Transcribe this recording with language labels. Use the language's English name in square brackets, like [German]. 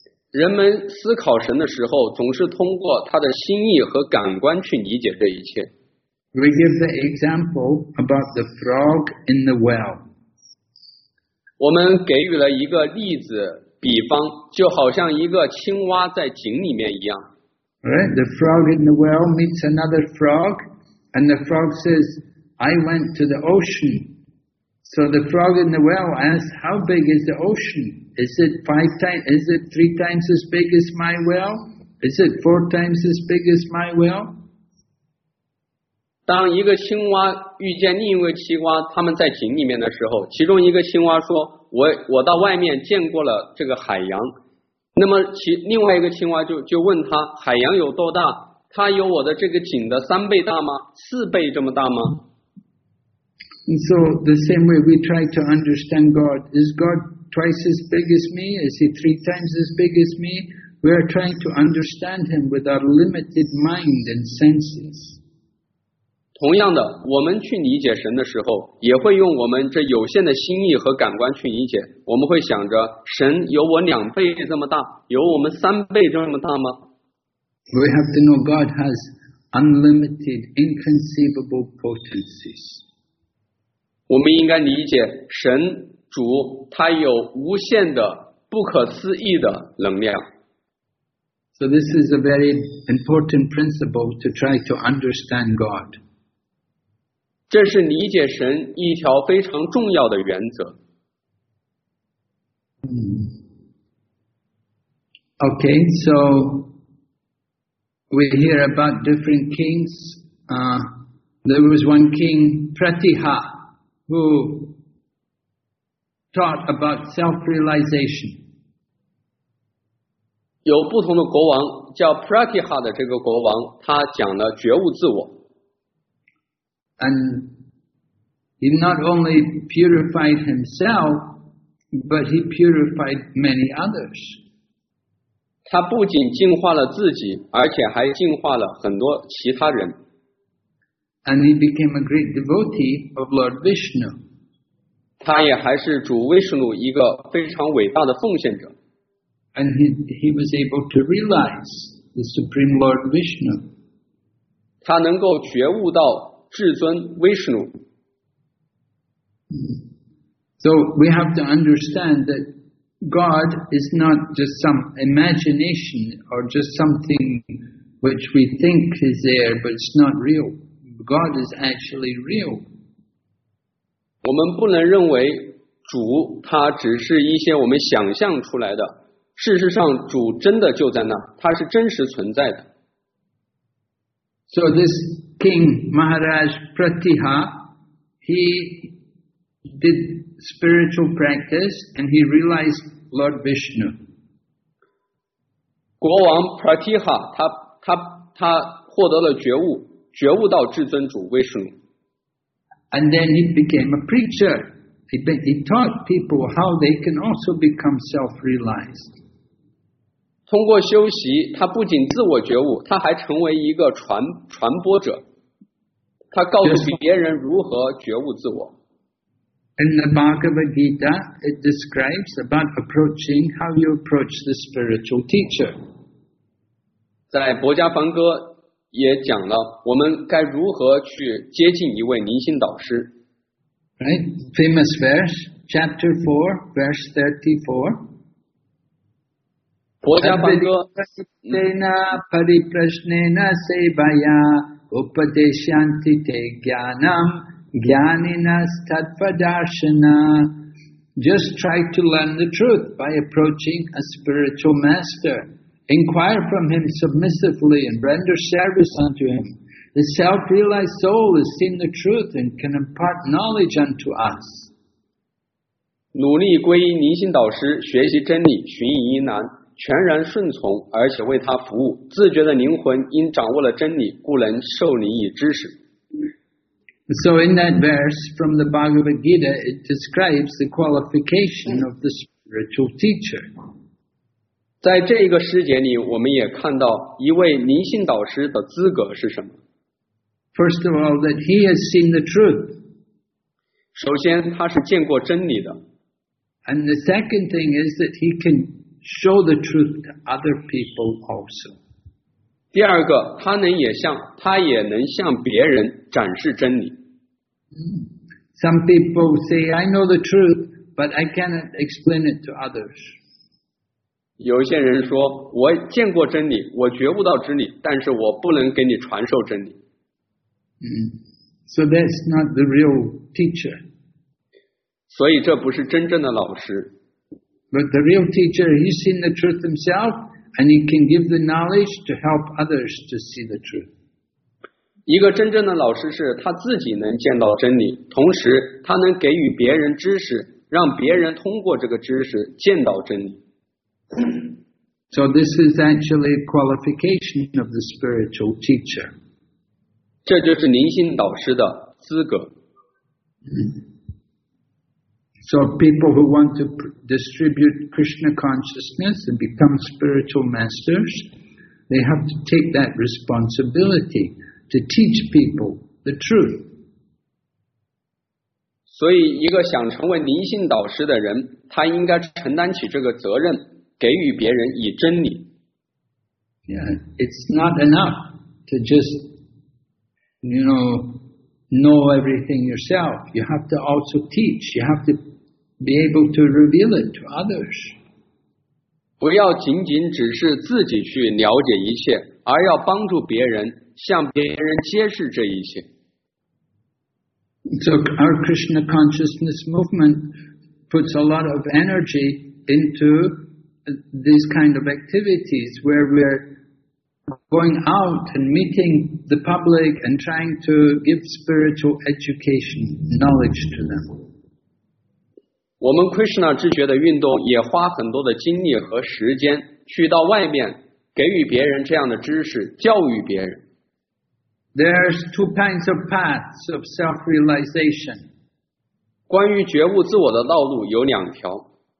[Chinese] 人们思考神的时候，总是通过他的心意和感官去理解这一切。 [English] We give the example about the frog in the well. [Chinese] 我们给予了一个例子比方，就好像一个青蛙在井里面一样。 [English] Right, the frog in the well meets another frog, and the frog says, I went to the ocean. So the frog in the well asks, how big is the ocean? Is it three times as big as my well? Is it four times as big as my well? [Chinese] 当一个青蛙遇见另一个青蛙，他们在井里面的时候，其中一个青蛙说：“我到外面见过了这个海洋。” 那么另外一个青蛙就问他：“海洋有多大？它有我的这个井的三倍大吗？四倍这么大吗？” [English] And so the same way we try to understand God. Is God twice as big as me? Is He three times as big as me? We are trying to understand Him with our limited mind and senses. [Chinese] 同样的，我们去理解神的时候，也会用我们这有限的心意和感官去理解。我们会想着，神有我两倍这么大，有我们三倍这么大吗？ [English] We have to know God has unlimited, inconceivable potencies. [Chinese] 我们应该理解神主，他有无限的、不可思议的能量。 [English] So this is a very important principle to try to understand God. [Chinese] 这是理解神一条非常重要的原则。 [English] Okay, so we hear about different kings. There was one king, Pratiha, who taught about self-realization. [Chinese] 有不同的国王，叫 Pratiha 的这个国王，他讲了觉悟自我。 [English] And he not only purified himself, but he purified many others. [Chinese] 他不仅净化了自己，而且还净化了很多其他人。 [English] And he became a great devotee of Lord Vishnu. [Chinese] 他也还是主威士努一个非常伟大的奉献者。 [English] And he was able to realize the Supreme Lord Vishnu. [Chinese] 他能够觉悟到至尊威士努。 [English] So we have to understand that God is not just some imagination or just something which we think is there, but it's not real. God is actually real. [Chinese] 我们不能认为主他只是一些我们想象出来的，事实上主真的就在那，他是真实存在的。 [English] So this king Maharaj Pratiha, he did spiritual practice and he realized Lord Vishnu. [Chinese] 国王 Pratiha, 他获得了觉悟，觉悟到至尊主威神。 [English] And then he became a preacher. He taught people how they can also become self-realized. [Chinese] 通过修习，他不仅自我觉悟，他还成为一个传播者。他告诉别人如何觉悟自我。 [English] In the Bhagavad Gita, it describes about approaching how you approach the spiritual teacher. [Chinese] 在《博伽梵歌》也讲了我们该如何去接近一位灵性导师。 [English] Right, famous verse, chapter 4, verse 34. [Chinese] 博伽梵歌。 [Sanskrit] Paripraśnena paripraśnena sevaya upadeśyanti te jñānam jñāninas tadvadarśana. [English] Just try to learn the truth by approaching a spiritual master. Inquire from him submissively and render service unto him. The self-realized soul has seen the truth and can impart knowledge unto us. [Chinese] 努力皈依灵性导师，学习真理，寻隐于难，全然顺从，而且为他服务。自觉的灵魂因掌握了真理，故能受灵以知识。 [English] So in that verse from the Bhagavad Gita, it describes the qualification of the spiritual teacher. [Chinese] 在这一个诗节里，我们也看到一位灵性导师的资格是什么。 [English] First of all, that he has seen the truth. [Chinese] 首先，他是见过真理的。 [English] And the second thing is that he can show the truth to other people also. [Chinese] 第二个，他也能向别人展示真理。 [English] Some people say, I know the truth, but I cannot explain it to others. [Chinese] 有些人说我见过真理我觉悟到真理但是我不能给你传授真理、 [English] So that's not the real teacher. [Chinese] 所以这不是真正的老师 [English] But the real teacher he's seen the truth himself and he can give the knowledge to help others to see the truth. [Chinese] 一个真正的老师是他自己能见到真理同时他能给予别人知识让别人通过这个知识见到真理 [English] So this is actually a qualification of the spiritual teacher. [Chinese] 这就是灵性导师的资格。 [English] So people who want to distribute Krishna consciousness and become spiritual masters, they have to take that responsibility to teach people the truth. [Chinese] 所以一个想成为灵性导师的人，他应该承担起这个责任。给予别人以真理。 [English] Yeah, it's not enough to just, you know everything yourself. You have to also teach. You have to be able to reveal it to others. [Chinese] 不要仅仅只是自己去了解一切，而要帮助别人，向别人揭示这一切。 [English] So our Krishna consciousness movement puts a lot of energy into. These kind of activities where we're going out and meeting the public and trying to give spiritual education knowledge to them. [Chinese] 我们 Krishna 知觉的运动也花很多的精力和时间去到外面给予别人这样的知识教育别人。 [English] There's two kinds of paths of self-realization. [Chinese] 关于觉悟自我的道路有两条。